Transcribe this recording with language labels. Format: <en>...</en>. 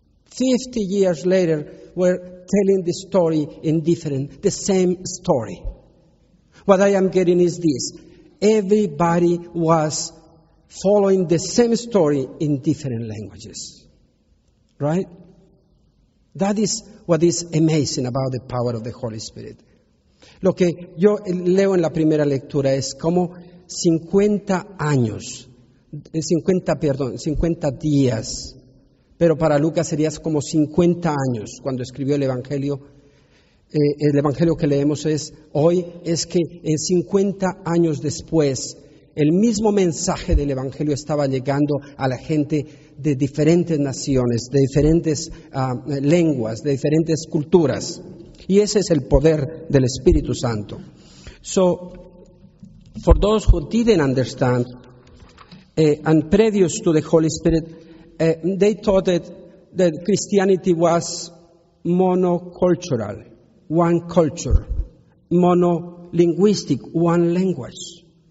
<en>50 years later, we're telling the story in different, the same story. What I am getting is this. Everybody was following the same story in different languages. Right? That is what is amazing about the power of the Holy Spirit.</en> <es>Lo que yo leo en la primera lectura es como 50 días, pero para Lucas sería como 50 años cuando escribió el Evangelio. El Evangelio que leemos es hoy es que en 50 años después, el mismo mensaje del Evangelio estaba llegando a la gente de diferentes naciones, de diferentes lenguas, de diferentes culturas. Y ese es el poder del Espíritu Santo.</es> <en>So, for those who didn't understand, and previous to the Holy Spirit, they thought that Christianity was monocultural, one culture, monolinguistic, one language.</en>